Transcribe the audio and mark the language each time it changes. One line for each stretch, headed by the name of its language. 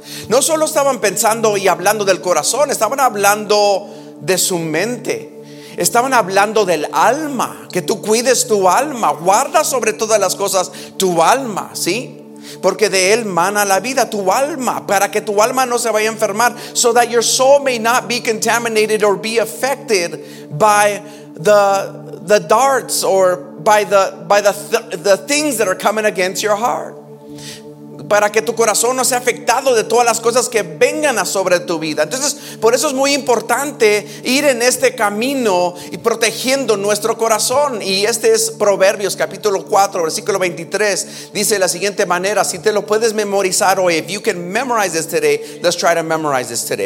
Spanish: No solo estaban pensando y hablando del corazón, estaban hablando de su mente. Estaban hablando del alma, que tú cuides tu alma, guarda sobre todas las cosas tu alma, ¿sí? Porque de él mana la vida, tu alma, para que tu alma no se vaya a enfermar.
English: So that your soul may not be contaminated or be affected by the darts or by the things that are coming against your heart.
Spanish: Para que tu corazón no sea afectado de todas las cosas que vengan a sobre tu vida. Entonces, por eso es muy importante ir en este camino y protegiendo nuestro corazón. Y este es Proverbios capítulo 4, versículo 23. Dice de la siguiente manera: si te lo puedes memorizar hoy,
English: if you can memorize this today,
Spanish: let's try to memorize this today.